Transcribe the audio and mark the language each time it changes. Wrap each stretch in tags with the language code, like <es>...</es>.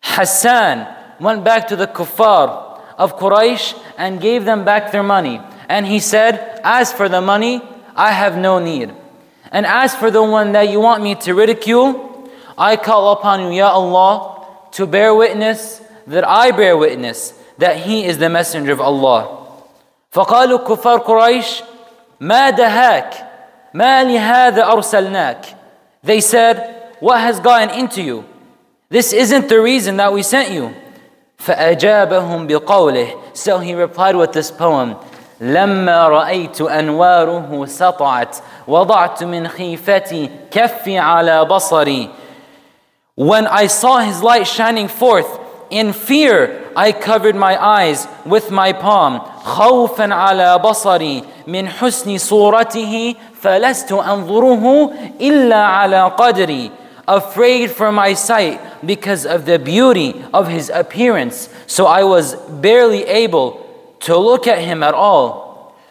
<en>حسان went back to the kuffar of Quraysh and gave them back their money. And he said, as for the money, I have no need. And as for the one that you want me to ridicule, I call upon you, Ya Allah, to bear witness that I bear witness that he is the messenger of Allah.</en> <ar>فقالوا كفار قريش ما دهاك ما لهذا أرسلناك.</ar> <en>They said, what has gotten into you? This isn't the reason that we sent you.</en> <ar>فأجابهم بقوله.</ar> <en>So he replied with this poem.</en> <ar>لما رأيت أنواره سطعت وضعت من خيفتي كفي على بصري.</ar> <en>When I saw his light shining forth, in fear I covered my eyes with my palm.</en> <ar>خوفا على بصري من حسن صورته فلست أنظره إلا على قدري.</ar> <en>Afraid for my sight because of the beauty of his appearance, so I was barely able to look at him at all.</en>